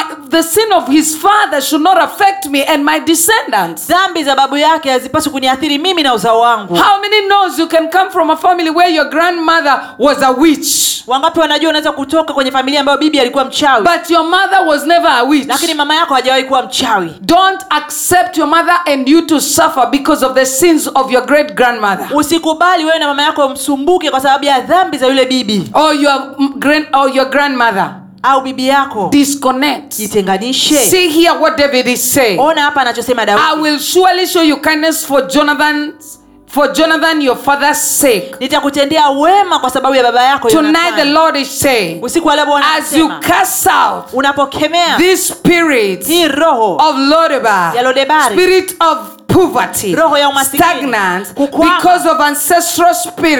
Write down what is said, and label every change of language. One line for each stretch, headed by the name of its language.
English: The sin of his father should not affect me and my descendants.
Swahili: Dhambi za babu yake hazipaswi kuniathiri mimi na uzao wangu.
English: How many knows you can come from a family where your grandmother was a witch?
Swahili: Wangapi wanajua unaweza kutoka kwenye familia ambayo bibi alikuwa mchawi?
English: But your mother was never a witch.
Swahili: Lakini mama yako hajawahi kuwa mchawi.
English: Don't accept your mother and you to suffer because of the sins of your great grandmother.
Swahili: Usikubali wewe na mama yako msumbuke kwa sababu ya dhambi za yule bibi.
English: Or your grandmother.
Swahili: Au bibi yako.
English: Disconnect.
Swahili: Jitenganishe.
English: See here what David is saying.
Swahili: Ona hapa anachosema Daudi.
English: I will surely show you kindness for Jonathan your father's sake.
Swahili: Nitakutendea wema kwa sababu ya baba yako Jonathan.
English: Tonight the Lord is saying.
Swahili: Usiku wa leo Bwana anasema.
English: As you cast out.
Swahili: Unapokemea.
English: This spirit.
Swahili: Hii roho.
English: Of Lodebar.
Swahili: Ya Lodebari.
English: Spirit of poverty,
Swahili: roho ya umasikini,
English: stagnant
Swahili: kukwama,
English: because of ancestral spirits,